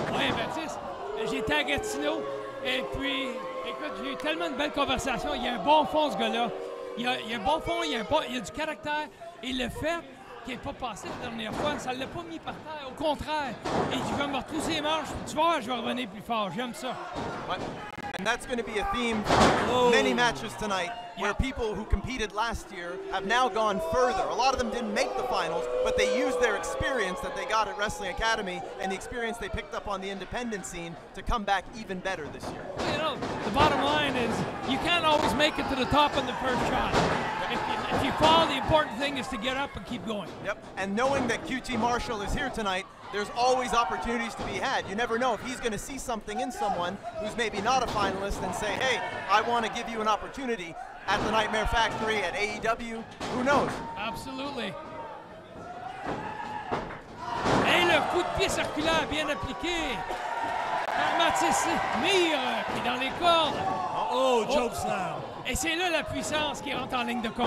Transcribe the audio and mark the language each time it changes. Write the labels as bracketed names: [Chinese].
[French] Oui, Mathis. J'étais à Gatineau. Et puis, écoute, j'ai eu tellement de belles conversations. Il y a un bon fond, ce gars-là. Il y a du caractère. Et le fait qu'il n'ait pas passé la dernière fois, ça ne l'a pas mis par terre. Au contraire. Et tu vas me retrousser les manches. Tu vois, je vais revenir plus fort. J'aime ça. Ouais. [English] And that's going to be a theme for many matches tonight, where people who competed last year have now gone further. A lot of them didn't make the finals, but they used their experience that they got at Wrestling Academy and the experience they picked up on the independent scene to come back even better this year. You know, the bottom line is you can't always make it to the top in the first shot. If you fall, the important thing is to get up and keep going. Yep, and knowing that QT Marshall is here tonight, there's always opportunities to be had. You never know if he's going to see something in someone who's maybe not a finalist and say, hey, I want to give you an opportunity at the Nightmare Factory, at AEW. Who knows? Absolutely. [French] Et le coup de pied circulaire bien appliqué par Mathis Myre qui est dans les cordes. [English] Oh, joke slam. [French] Et c'est là la puissance qui rentre en ligne de compte.